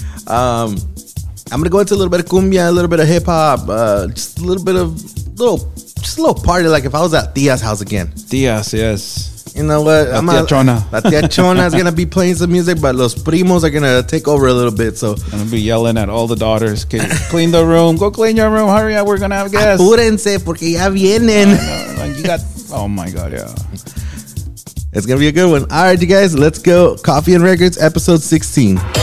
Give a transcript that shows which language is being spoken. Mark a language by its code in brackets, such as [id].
[en] I'm going to go into a little bit of cumbia, a little bit of hip hop, just a little party, like if I was at Tia's house again. Tia's, yes. You know what? [es] La tia Chona. [en] La tia Chona is going to be playing some music, but [es] los primos [en] are going to take over a little bit. So I'm going to be yelling at all the daughters. Clean the room. Go clean your room. Hurry up. We're going to have guests. [es] Apúrense porque ya vienen. [en] Oh, my God. Yeah. It's going to be a good one. All right, you guys. Let's go. Coffee and Records, episode 16.